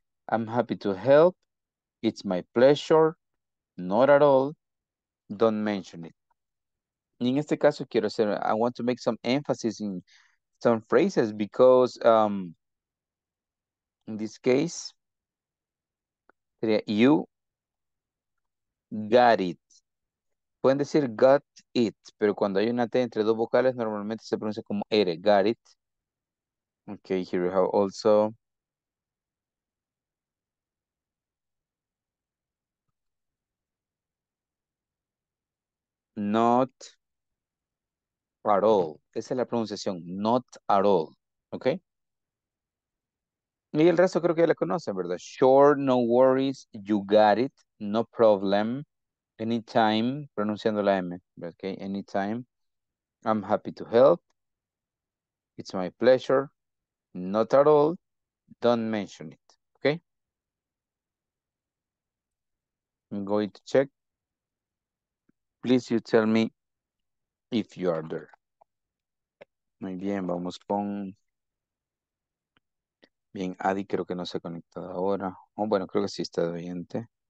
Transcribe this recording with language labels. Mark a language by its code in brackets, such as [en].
[en] I'm happy to help. It's my pleasure. Not at all. Don't mention it. [es] En este caso quiero hacer, [en] I want to make some emphasis in some phrases because in this case, sería you got it. [es] Pueden decir got it, pero cuando hay una T entre dos vocales normalmente se pronuncia como R, got it. [en] Okay, here we have also. Not at all. [es] Esa es la pronunciación. [en] Not at all. ¿Ok? [es] Y el resto creo que ya la conocen, ¿verdad? [en] Sure, no worries. You got it. No problem. Anytime. [es] Pronunciando la M. [en] ¿Ok? Anytime. I'm happy to help. It's my pleasure. Not at all. Don't mention it. ¿Ok? I'm going to check. Please you tell me if you are there. [es] Muy bien, vamos con... Bien, Adi creo que no se ha conectado ahora. Oh, bueno, creo que sí está de oyente.